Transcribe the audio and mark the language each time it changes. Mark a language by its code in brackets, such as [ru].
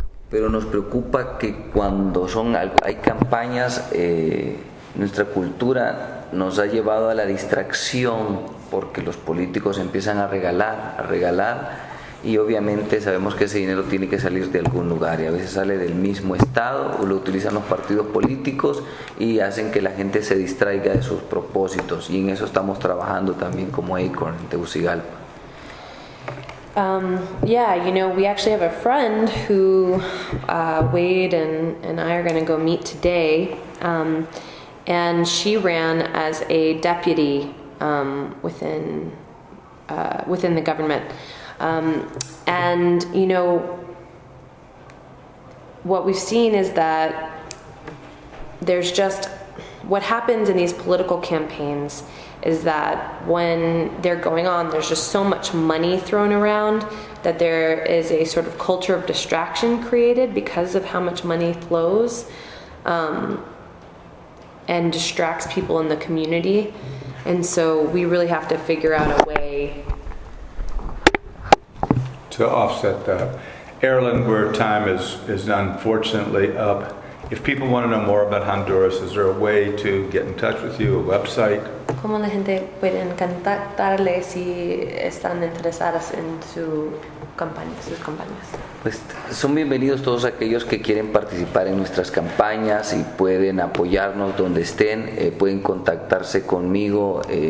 [es] Pero nos preocupa que cuando hay campañas, nuestra cultura nos ha llevado a la distracción, porque los políticos empiezan a regalar, y obviamente sabemos que ese dinero tiene que salir de algún lugar, y a veces sale del mismo estado o lo utilizan los partidos políticos y hacen que la gente se distraiga de sus propósitos, y en eso estamos trabajando también como ACORN en Tegucigalpa. [en] You know, we actually have a friend who Wade and I are going to go meet today, and she ran as a deputy within the government. And, you know, what we've seen is that there's just, what happens in these political campaigns is that when they're going on, there's just so much money thrown around that there is a sort of culture of distraction created because of how much money flows, and distracts people in the community. And so we really have to figure out a way to offset that. Erlen, where time is unfortunately up, if people want to know more about Honduras, is there a way to get in touch with you, a website? [es] ¿Cómo la gente puede contactarle si están interesadas en sus campañas? Pues son bienvenidos todos aquellos que quieren participar en nuestras campañas y pueden apoyarnos donde estén. Pueden contactarse conmigo.